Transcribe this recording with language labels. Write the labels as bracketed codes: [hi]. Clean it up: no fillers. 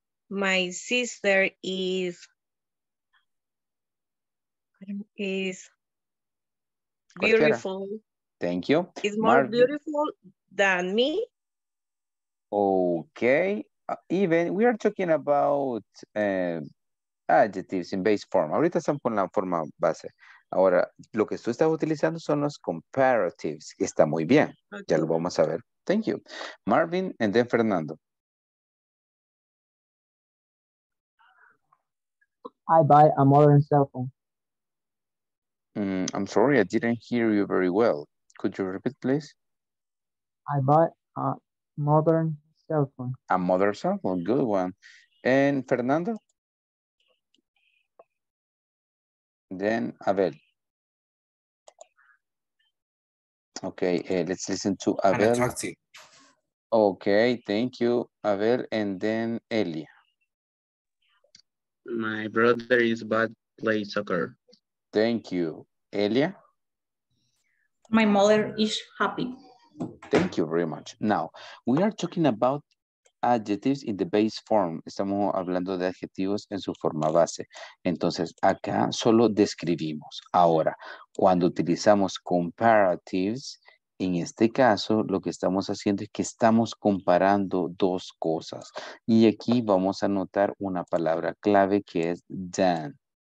[en] My sister is beautiful. Thank you. Is more Marvin. Beautiful than me. Okay. Even we are talking about adjectives in base form. [es] Ahorita estamos con la forma base. Ahora, lo que tú estás utilizando son los comparatives. Está muy bien. Okay. Ya lo vamos a ver. [en] Thank you. Marvin, and then Fernando. I buy a modern cell phone. I'm sorry, I didn't hear you very well. Could you repeat, please? I buy a modern cell phone. A modern cell phone, good one. And Fernando? Then Abel. Okay, let's listen to Abel. Okay, thank you, Abel. And then Elia. My brother is bad play soccer. Thank you. Elia? My mother is happy. Thank you very much. Now, we are talking about adjectives in the base form. [es] Estamos hablando de adjetivos en su forma base. Entonces, acá solo describimos. Ahora, cuando utilizamos comparatives, en este caso, lo que estamos haciendo es que estamos comparando dos cosas. Y aquí vamos a notar una palabra clave que es than.